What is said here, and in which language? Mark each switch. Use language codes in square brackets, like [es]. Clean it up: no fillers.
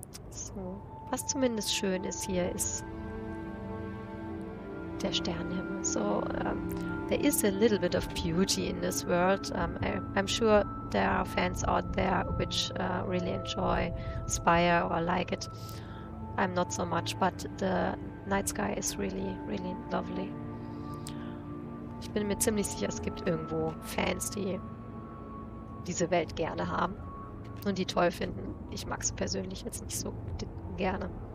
[de] So, was zumindest schön ist hier, ist der Sternenhimmel. [en] So, there is a little bit of beauty in this world. I'm sure there are fans out there which really enjoy Spire or like it. I'm not so much, but the night sky is really, really lovely. [de] Ich bin mir ziemlich sicher, es gibt irgendwo Fans, die diese Welt gerne haben und die toll finden. Ich mag es persönlich jetzt nicht so gerne.